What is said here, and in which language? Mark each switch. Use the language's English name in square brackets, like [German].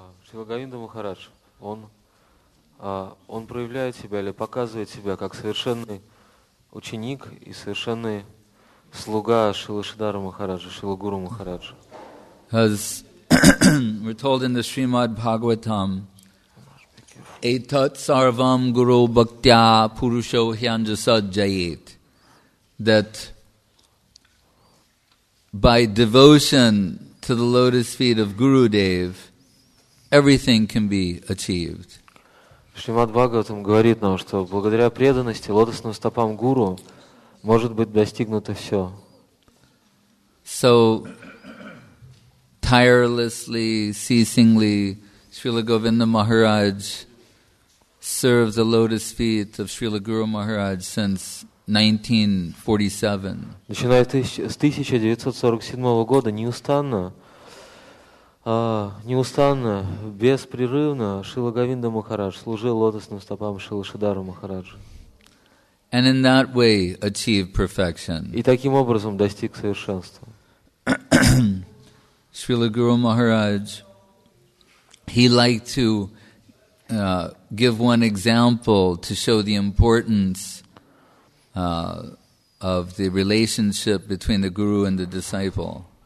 [Russian] Srila Govinda Maharaj, он проявляет себя или показывает себя как совершенный ученик и совершенный слуга Шрилы Шридхара Махараджа, Шрилы Гуру Махараджа. [English] As we're told in the Srimad Bhagavatam, [Sanskrit] Etat Sarvam Guru Bhaktya Purusho Hyanjasa Jayet, [English] that by devotion to the lotus feet of Gurudev, everything can be achieved. [Russian] Srimad Bhagavatam говорит нам, что благодаря преданности лотосным стопам Гуру может быть достигнуто все. [English] So, tirelessly, ceasingly, Srila Govinda Maharaj served the lotus feet of Srila Guru Maharaj since 1947. [Russian] Начиная с 1947 года, неустанно, беспрерывно Шрила Говинда Махарадж служил лотосным стопам Шрилы Шридхара Махараджа. [English] And in that way achieve perfection. [Russian] И таким образом достиг совершенства. [English] Srila Guru Maharaj, he liked to give one example to show the importance of the relationship between the guru and the disciple.